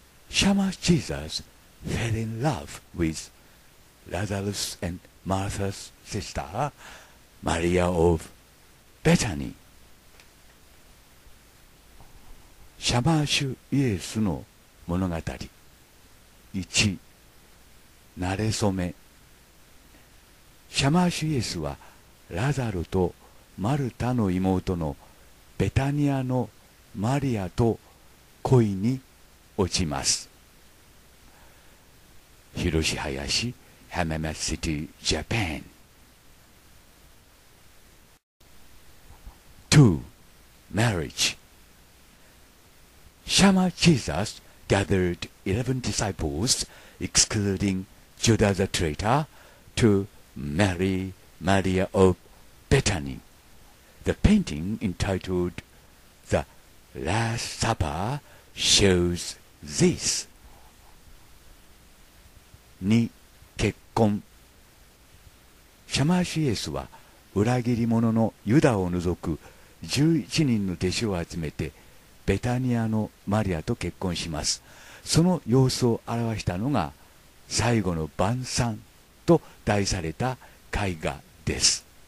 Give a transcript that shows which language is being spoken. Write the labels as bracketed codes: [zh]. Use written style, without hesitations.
[en] Shamash Jesus fell in love with Lazarus and Martha's sister, Maria of Bethany. [ja] Shamash Jesus の物語。一、慣れ初め。シャマーシュイエスはラザルとマルタの妹のベタニアのマリアと恋に落ちます。ヒロシハヤシ、浜松シティ、ジャパン。 [en] 2. Marriage. シャマーシーザス gathered 11 disciples excluding Judah the traitor toMary, Maria of Bethany. The painting entitled The Last Supper shows this. [ja] 2. 結婚。シャマーシエスは裏切り者のユダを除く11人の弟子を集めてベタニアのマリアと結婚します。その様子を表したのが最後の晩餐と題された絵画です。